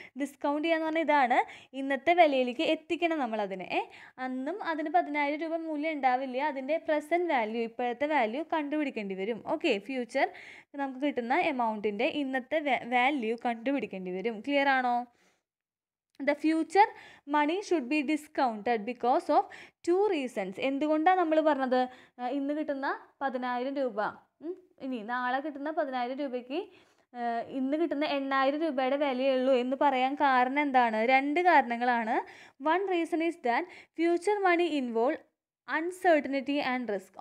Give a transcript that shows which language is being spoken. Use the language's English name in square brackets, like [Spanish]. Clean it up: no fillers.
[Malayalam] Discount ചെയ്യാന്ന് പറഞ്ഞാൽ ഇതാണ്, ഇന്നത്തെ വിലയിലേക്ക് എത്തിക്കണം നമ്മളതിനെ. അന്നും അതിന് 10,000 രൂപ മൂല്യം ഉണ്ടാവില്ല, അതിൻ്റെ പ്രസൻറ്റ് വാല്യൂ, ഇപ്പോഴത്തെ വാല്യൂ കണ്ടുപിടിക്കേണ്ടി വരും. ഓക്കെ, ഫ്യൂച്ചർ നമുക്ക് കിട്ടുന്ന എമൗണ്ടിൻ്റെ ഇന്നത്തെ വാല്യൂ കണ്ടുപിടിക്കേണ്ടി വരും. ക്ലിയർ ആണോ? [English] The future money should be discounted because of 2 reasons. [Malayalam] എന്തുകൊണ്ടാണ് നമ്മൾ പറഞ്ഞത്, ഇന്ന് കിട്ടുന്ന 10,000 രൂപ ഇനി നാളെ കിട്ടുന്ന 10,000 രൂപയ്ക്ക് ഇന്ന് കിട്ടുന്ന 8000 രൂപയുടെ വിലയുള്ളൂ എന്ന് പറയാൻ കാരണം എന്താണ്? രണ്ട് കാരണങ്ങളാണ്. [English] One reason is that future money involve uncertainty and risk.